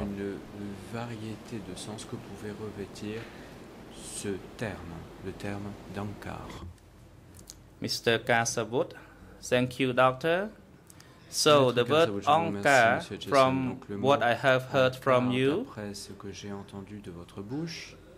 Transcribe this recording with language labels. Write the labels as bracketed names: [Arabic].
[French] Une variété de sens que pouvait revêtir ce terme, le terme d'Ankar. [English] Mr. Kasavut, thank you, doctor. So, Mr. the word Ankar, from what I have heard from you, [French] d'après ce que j'ai entendu de votre bouche,